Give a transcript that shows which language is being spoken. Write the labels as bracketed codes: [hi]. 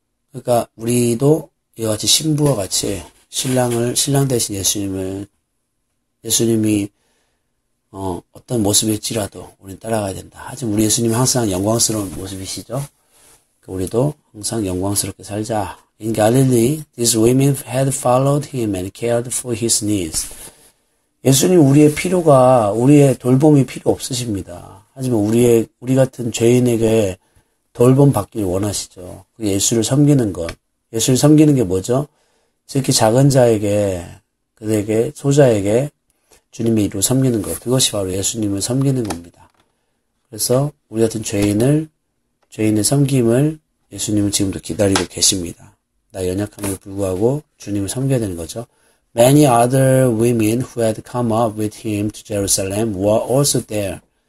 [ko] 그러니까 우리도 이와 같이 신부와 같이 신랑 대신 예수님이 어떤 모습일지라도 우리는 따라가야 된다. 하지만 우리 예수님은 항상 영광스러운 모습이시죠. 그러니까 우리도 항상 영광스럽게 살자. [en] In Galilee, these women had followed him and cared for his needs. [ko] 예수님 우리의 필요가 우리의 돌봄이 필요 없으십니다. 하지만 우리 같은 죄인에게 돌봄 받기를 원하시죠. 예수를 섬기는 것. 예수를 섬기는 게 뭐죠? 특히 작은 자에게, 그에게, 소자에게 주님의 이름을 섬기는 것. 그것이 바로 예수님을 섬기는 겁니다. 그래서 우리 같은 죄인의 섬김을 예수님은 지금도 기다리고 계십니다. 나 연약함에도 불구하고 주님을 섬겨야 되는 거죠. [en] Many other women who had come up with him to Jerusalem were also there.